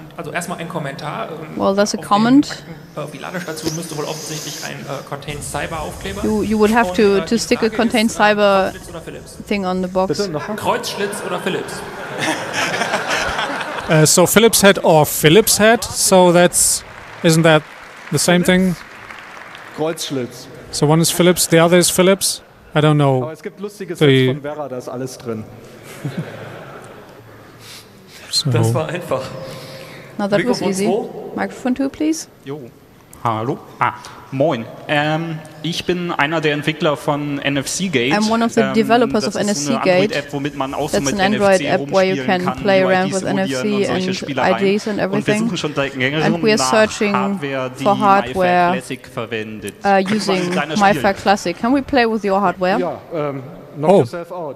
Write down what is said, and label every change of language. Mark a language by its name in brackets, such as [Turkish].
[German] Also erstmal ein Kommentar. [English] Well, that's a comment. [German] Die Ladestation müsste wohl offensichtlich ein Contained Cyber Aufkleber. [English] You would have to stick a Contained Cyber thing on the box. [German] Kreuzschlitz oder Philips? [English] So Philips head or Philips head? So that's, isn't that the same thing? [German] Kreuzschlitz. [English] So one is Philips, the other is Philips? I don't know. [German] Aber es gibt lustige Sets von Vera, da ist alles drin. So. Das war einfach. [English] Now that Mikrofon was easy. Microphone 2, please. [German] Jo. Hallo. Ah, moin. Ich bin einer der Entwickler von NFC Gate. [English] I'm one of the developers of NFC Gate. That's an Android app where you can play around with NFC and IDs and everything. And we are searching for hardware using MyFair Classic. Can we play with your hardware? Yeah.